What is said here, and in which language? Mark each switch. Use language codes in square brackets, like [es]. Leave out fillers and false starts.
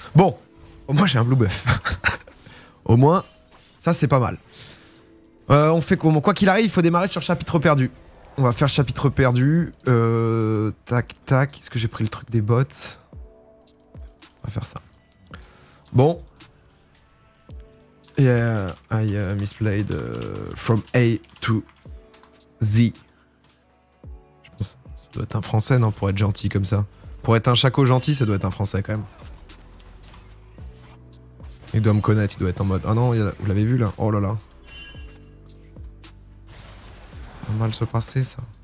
[fr] Bon, au moins, j'ai un blue buff. Au moins, ça, c'est pas mal. On fait comment? Quoi qu'il arrive, il faut démarrer sur chapitre perdu. On va faire chapitre perdu. Tac, tac. Est-ce que j'ai pris le truc des bots? On va faire ça. Bon. [en] Yeah, I misplayed from A to Z. [fr] Je pense que ça doit être un français, non? Pour être gentil comme ça. Pour être un chaco gentil, ça doit être un français quand même. Il doit me connaître, il doit être en mode... Ah non, vous l'avez vu là? Oh là là. Mal se passer ça.